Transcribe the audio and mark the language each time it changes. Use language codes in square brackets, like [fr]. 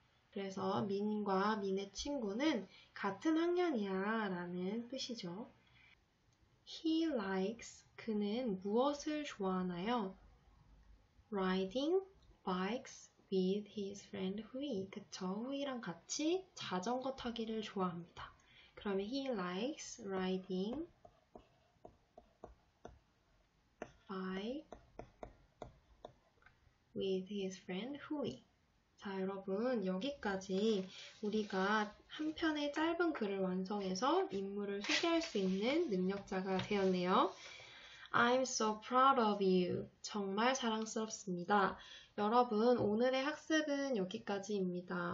[ko] 그래서 민과 민의 친구는 같은 학년이야 라는 뜻이죠. [en] He likes, [ko] 그는 무엇을 좋아하나요? [en] Riding bikes with his friend Hui. [ko] 그쵸, Hui랑 같이 자전거 타기를 좋아합니다. [en] 그러면 he likes riding bike with his friend Hui. [ko] 자, 여러분, 여기까지 우리가 한 편의 짧은 글을 완성해서 인물을 소개할 수 있는 능력자가 되었네요. [en] I'm so proud of you. [ko] 정말 자랑스럽습니다. 여러분, 오늘의 학습은 여기까지입니다.